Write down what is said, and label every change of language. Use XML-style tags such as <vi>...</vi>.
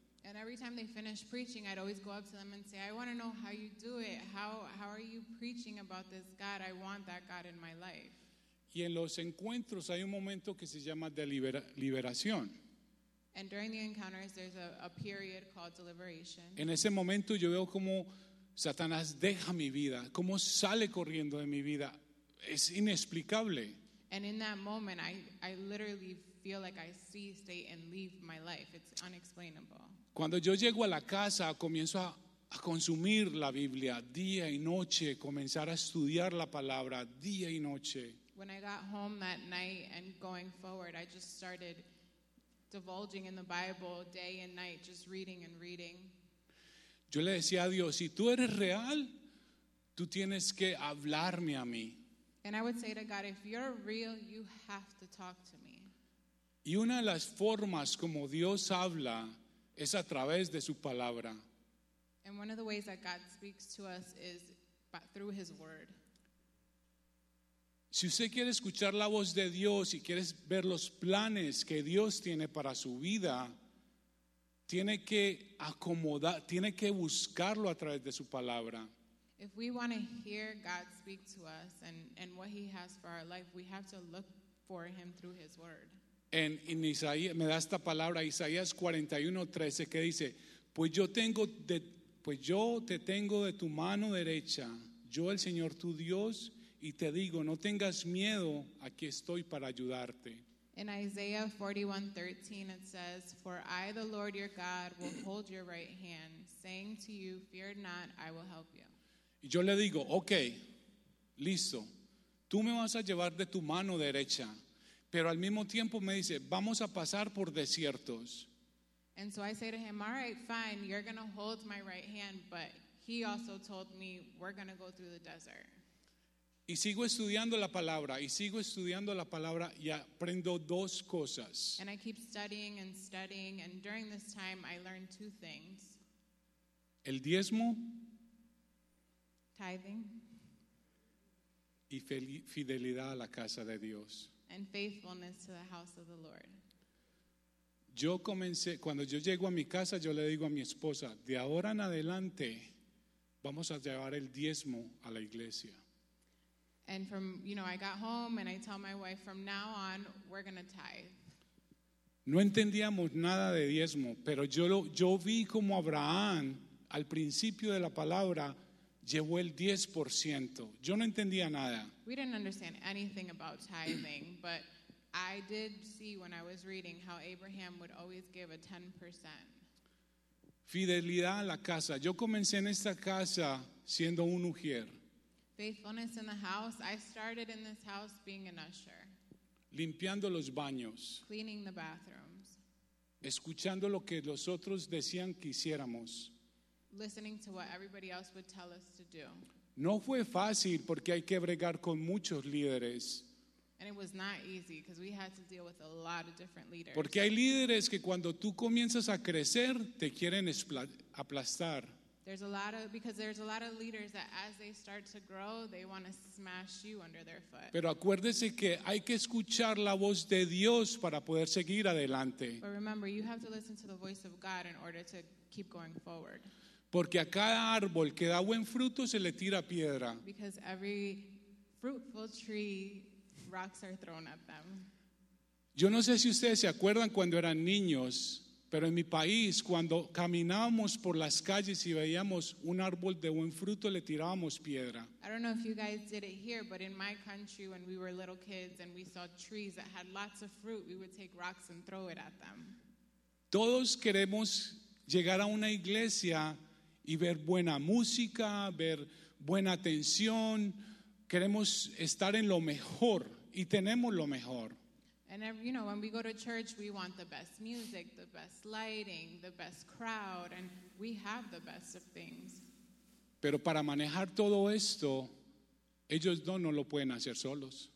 <en>And every time they finished preaching, I'd always go up to them and say, I want to know how you do it. How are you preaching about this God? I want that God in my life.</en> <es>Y en los encuentros hay un momento que se llama liberación.</es> <en>And during the encounters, there's a period called deliberation.</en> <es>En ese momento yo veo como Satanás deja mi vida, como sale corriendo de mi vida. Es inexplicable.</es> <en>And in that moment, I literally feel like I see Satan leave my life. It's unexplainable.</en> <es>Cuando yo llego a la casa, comienzo a consumir la Biblia día y noche, comenzar a estudiar la palabra día y noche.</es> <en>When I got home that night and going forward, I just started divulging in the Bible day and night, just reading and reading.</en> <es>Yo le decía a Dios, si tú eres real, tú tienes que hablarme a mí.</es> <en>And I would say to God, if you're real, you have to talk to me.</en> <es>Y una de las formas como Dios habla es a través de su palabra.</es> <en>And one of the ways that God speaks to us is through his word.</en> <es>Si usted quiere escuchar la voz de Dios y quiere ver los planes que Dios tiene para su vida, tiene que acomodar, tiene que buscarlo a través de su palabra.</es> <en>If we want to hear God speak to us and what he has for our life, we have to look for him through his word.</en> <es>En Isaías, me da esta palabra, Isaías 41:13, que dice, pues yo te tengo de tu mano derecha, yo el Señor tu Dios, y te digo, no tengas miedo, aquí estoy para ayudarte.</es> <en>In Isaiah 41:13 it says, for I the Lord your God will hold your right hand, saying to you, fear not, I will help you.</en> <es>Y yo le digo, okay, listo, tú me vas a llevar de tu mano derecha. Pero al mismo tiempo me dice, vamos a pasar por desiertos.</es> <en>And so I say to him, all right, fine, you're going to hold my right hand, but he also told me we're going to go through the desert.</en> <es>Y sigo estudiando la palabra, y sigo estudiando la palabra, y aprendo dos cosas.</es> <en>And I keep studying, and during this time I learned two things.</en> <es>El diezmo.</es> <en>Tithing.</en> <es>Y fidelidad a la casa de Dios.</es> <en>And faithfulness to the house of the Lord.</en> <es>Yo comencé, cuando yo llego a mi casa, yo le digo a mi esposa, de ahora en adelante, vamos a llevar el diezmo a la iglesia.</es> <en>And from, you know, I got home and I tell my wife, from now on, we're going to tithe.</en> <es>No entendíamos nada de diezmo, pero yo vi como Abraham, al principio de la palabra, llevó el 10%. Yo no entendía nada.</es> <en>We didn't understand anything about tithing, but I did see when I was reading how Abraham would always give a 10%.</en> <es>Fidelidad a la casa. Yo comencé en esta casa siendo un ujier.</es> <en>Faithfulness in the house. I started in this house being an usher.</en> <es>Limpiando los baños.</es> <en>Cleaning the bathrooms.</en> <es>Escuchando lo que los otros decían que hiciéramos.</es> <en>Listening to what everybody else would tell us to do.</en> <es>No fue fácil porque hay que bregar con muchos líderes.</es> <en>And it was not easy because we had to deal with a lot of different leaders.</en> <es>Porque hay líderes que cuando tú comienzas a crecer te quieren aplastar.</es> <en>There's a lot of, because there's a lot of leaders that as they start to grow, they want to smash you under their foot.</en> <es>Pero acuérdese que hay que escuchar la voz de Dios para poder seguir adelante.</es> <en>But remember, you have to listen to the voice of God in order to keep going forward.</en> <es>Porque a cada árbol que da buen fruto se le tira piedra.</es> <en>Because every fruitful tree, rocks are thrown at them.</en> <es>Yo no sé si ustedes se acuerdan cuando eran niños. Pero en mi país, cuando caminábamos por las calles y veíamos un árbol de buen fruto, le tirábamos piedra.</es> <en>I don't know if you guys did it here, but in my country, when we were little kids and we saw trees that had lots of fruit, we would take rocks and throw it at them.</en> <es>Todos queremos llegar a una iglesia y ver buena música, ver buena atención. Queremos estar en lo mejor y tenemos lo mejor.</es> <en>And every, you know, when we go to church, we want the best music, the best lighting, the best crowd, and we have the best of things.</en> <es>Pero para manejar todo esto, ellos dos no lo pueden hacer solos.</es>